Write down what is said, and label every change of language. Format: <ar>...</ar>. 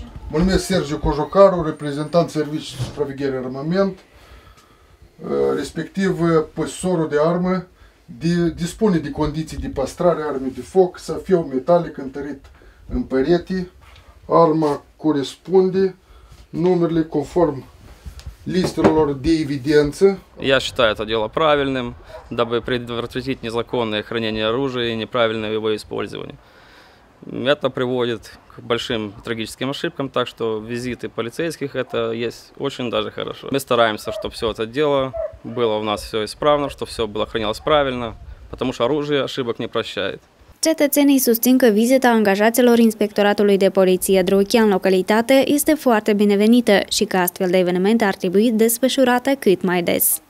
<ro>Mă numesc Sergiu Cojocaru, reprezentant Serviciului de Supraveghere Armament, respectiv posesorul de armă. Dispune de condiții de păstrare a armei de foc, să fie un metalic întărit în perete. Arma corespunde numerele conform listelor de evidență.</ro> <ru>Я считаю это дело правильным, дабы предотвратить незаконное хранение оружия и неправильное его использование. Это приводит к большим трагическим ошибкам, так что визиты полицейских это есть очень даже хорошо. Мы стараемся, чтобы все это дело было у нас все исправно, чтобы все было хранилось правильно, потому что оружие ошибок не прощает.</ru> <ro>Cetățenii susțin că vizita angajaților Inspectoratului de Poliție Drochia în localitate este foarte binevenită și că astfel de evenimente ar trebui desfășurate cât mai des.</ro>